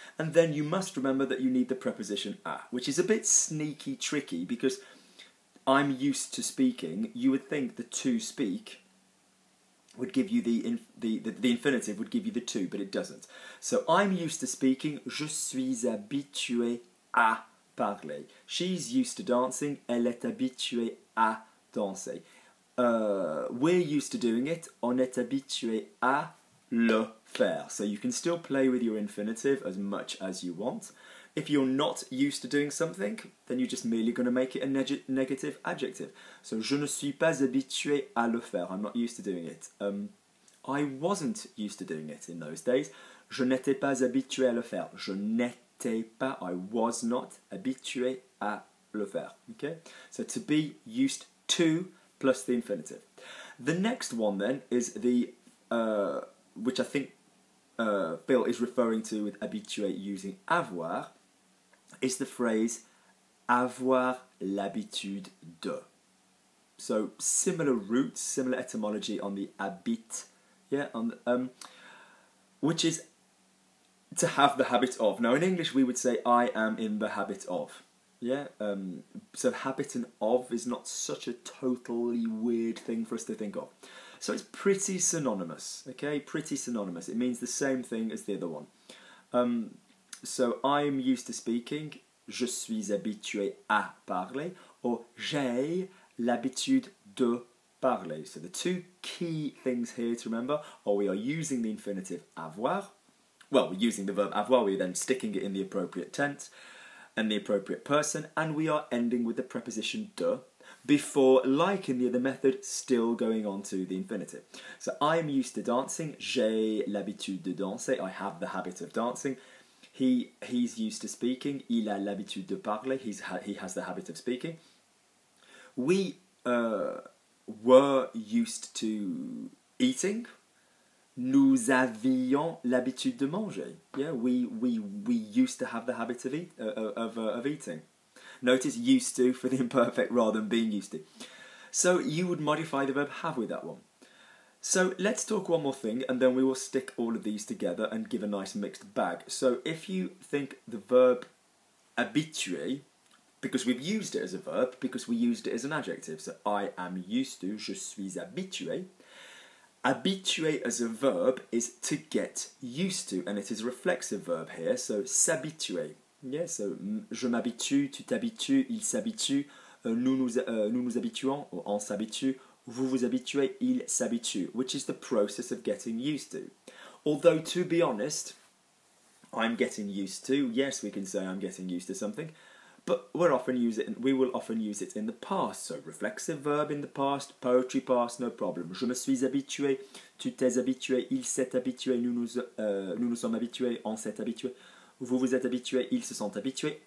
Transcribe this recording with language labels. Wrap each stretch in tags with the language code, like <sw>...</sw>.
<en>And then you must remember that you need the preposition à, which is a bit sneaky, tricky, because I'm used to speaking, you would think the two speak would give you the infinitive would give you the two, but it doesn't. So I'm used to speaking,</en> <fr>je suis habitué à parler.</fr> <en>She's used to dancing,</en> <fr>elle est habituée à danser.</fr> <en>We're used to doing it,</en> <fr>on est habitué à le faire.</fr> <en>So you can still play with your infinitive as much as you want. If you're not used to doing something, then you're just merely going to make it a negative adjective.</en> <fr>So, je ne suis pas habitué à le faire.</fr> <en>I'm not used to doing it. I wasn't used to doing it in those days.</en> <fr>Je n'étais pas habitué à le faire. Je n'étais pas,</fr> <en>I was not</en> <fr>habitué à le faire. Okay?</fr> <en>So, to be used to plus the infinitive. The next one then is the, which I think, Phil is referring to with habituate using avoir, is the phrase</en> <fr>avoir l'habitude de.</fr> <en>So similar roots, similar etymology on the habit, yeah, on the, which is to have the habit of. Now in English we would say I am in the habit of, yeah. So habit and of is not such a totally weird thing for us to think of. So it's pretty synonymous, okay? Pretty synonymous. It means the same thing as the other one. So I'm used to speaking.</en> <fr>je suis habitué à parler, or j'ai l'habitude de parler.</fr> <en>So the two key things here to remember are we are using the infinitive avoir. Well, we're using the verb avoir, we're then sticking it in the appropriate tense and the appropriate person, and we are ending with the preposition de before, like in the other method, still going on to the infinitive. So I am used to dancing,</en> <fr>j'ai l'habitude de danser,</fr> <en>I have the habit of dancing. He's used to speaking,</en> <fr>il a l'habitude de parler,</fr> <en>he has the habit of speaking. We were used to eating.</en> <fr>Nous avions l'habitude de manger.</fr> <en>Yeah, we used to have the habit of eating. Notice used to for the imperfect rather than being used to. So you would modify the verb have with that one. So let's talk one more thing and then we will stick all of these together and give a nice mixed bag. So if you think the verb habitué, because we've used it as a verb, because we used it as an adjective. So I am used to,</en> <fr>je suis habitué.</fr> <en>Habitué as a verb is to get used to, and it is a reflexive verb here, so s'habituer.</en> <fr>Yeah, so je m'habitue, tu t'habitues, il s'habitue, nous nous habituons, or on s'habitue, vous vous habituez, il s'habitue,</fr> <en>which is the process of getting used to. Although, to be honest, I'm getting used to, yes, we can say I'm getting used to something, but we will often use it in the past. So reflexive verb in the past, poetry past, no problem.</en> <fr>Je me suis habitué, tu t'es habitué, il s'est habitué, nous nous sommes habitués, on s'est habitué, vous vous êtes habitué, ils se sont habitués.</fr>